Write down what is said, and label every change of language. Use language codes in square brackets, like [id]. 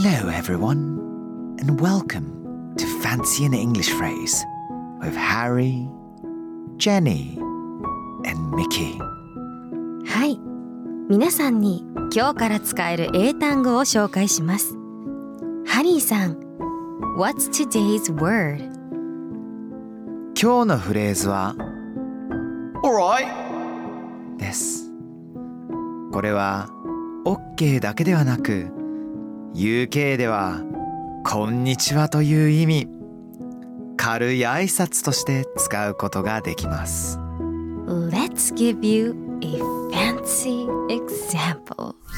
[en] everyone, and welcome to Fancy an English Phrase with Harry, Jenny, and Mickey. [ja] はい、皆さんに今日から使える英単語を紹介します。ハリーさん、 [en] What's today's word? [ja] 今日のフレーズは [en] All right! [ja] です。これは OK だけではなく、UK ではこんにちはという意味、軽い挨拶として使うことができます。 [en] Let's give you a fancy example.